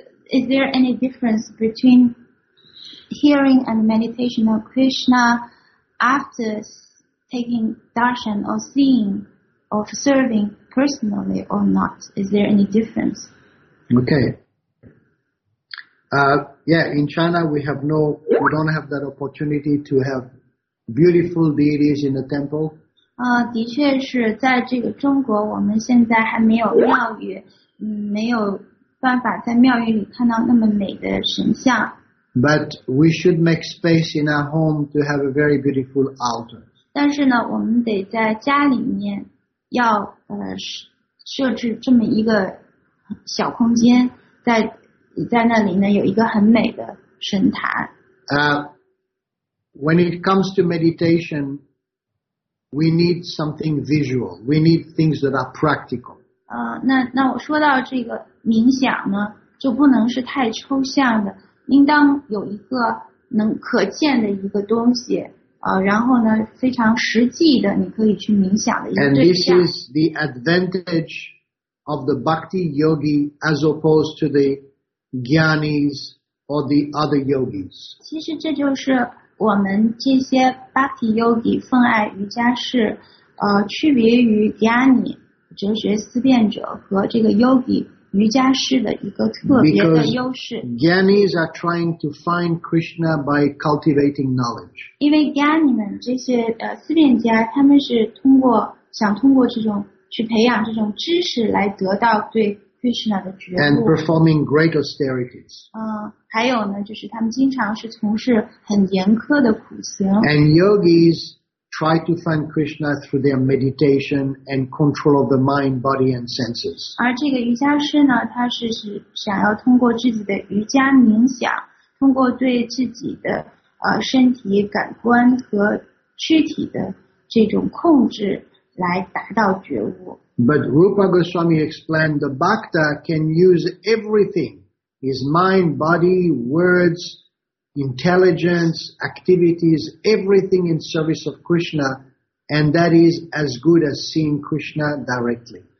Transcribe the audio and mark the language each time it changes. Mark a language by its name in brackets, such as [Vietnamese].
[English] Is there any difference between hearing and meditation of Krishna after taking darshan or seeing or servingpersonally or not? Is there any difference? Okay. In China we don't have that opportunity to have beautiful deities in the temple. [Chinese] 的确是在这个中国我们现在还没有庙宇，没有办法在庙宇里看到那么美的神像。 [English] But we should make space in our home to have a very beautiful altar. [Chinese] 但是呢，我们得在家里面要设置这么一个小空间，在那里呢有一个很美的神坛。 [English] When it comes to meditation, we need something visual. We need things that are practical. [Chinese] 那我说到这个冥想呢，就不能是太抽象的，应当有一个能可见的一个东西。然后呢，非常实际的，你可以去冥想的一个对象。 [English] And this is the advantage of the bhakti yogi as opposed to the gyanis or the other yogis. [Chinese] 其实这就是我们这些 bhakti yogi 奉爱瑜伽士，区别于 gyani 哲学思辨者和这个 yogi 瑜伽士的一个特别的优势。 [English] Because gyanis are trying to find Krishna by cultivating knowledge. [Chinese] 因为 gyani 们这些思辨家，他们是想通过这种去培养这种知识来得到对 Krishna 的觉悟。 [English] And performing great austerities. [Chinese] 还有呢，就是他们经常是从事很严苛的苦行。 [English] And yogis try to find Krishna through their meditation and control of the mind, body, and senses. [Chinese] 而这个瑜伽师呢，他是想要通过自己的瑜伽冥想，通过对自己的身体感官和躯体的这种控制来达到觉悟。 [English] But Rupa Goswami explained the bhakta can use everything, his mind, body, words,intelligence, activities, everything in service of Krishna, and that is as good as seeing Krishna directly.